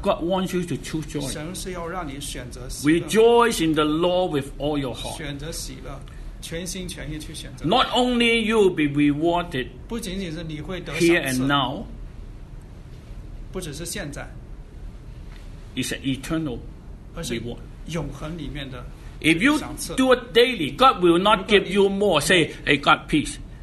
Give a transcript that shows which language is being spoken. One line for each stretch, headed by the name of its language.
English: God wants you to choose joy.
Chinese: 神是要让你选择喜乐,
English: rejoice in the Lord with all your heart.
Chinese: 选择喜乐, 全心全意去选择,
English: not only you will be rewarded
Chinese: 不仅仅是你会得赏赐,
English: here and now.
Chinese: 不只是现在,
English: it's an eternal reward.
Chinese: 永恒里面的,
English: if you do it daily, God will not give you more. Say, hey, God, peace.